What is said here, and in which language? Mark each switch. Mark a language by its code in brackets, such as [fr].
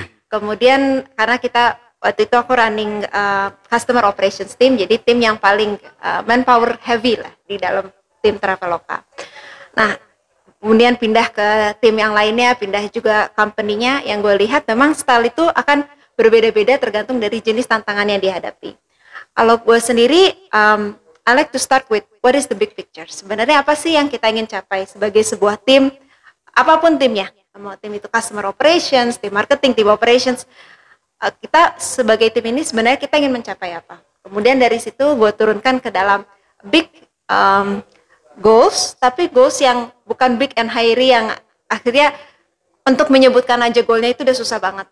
[id] Kemudian karena kita waktu itu aku [en] running customer operations team, [id] jadi tim yang paling [en] manpower heavy [id] lah di dalam tim Traveloka. Nah, kemudian pindah ke tim yang lainnya, pindah juga company-nya, yang gue lihat memang style itu akan berbeda-beda tergantung dari jenis tantangan yang dihadapi. Kalau gue sendiri, [en] I like to start with what is the big picture? [id] Sebenarnya apa sih yang kita ingin capai sebagai sebuah tim, apapun timnya, mau tim itu customer operations, tim marketing, tim operations, kita sebagai tim ini sebenarnya kita ingin mencapai apa? Kemudian dari situ gue turunkan ke dalam big goals, tapi goals yang bukan [en] big and hairy [id] yang akhirnya untuk menyebutkan aja goalnya itu udah susah banget.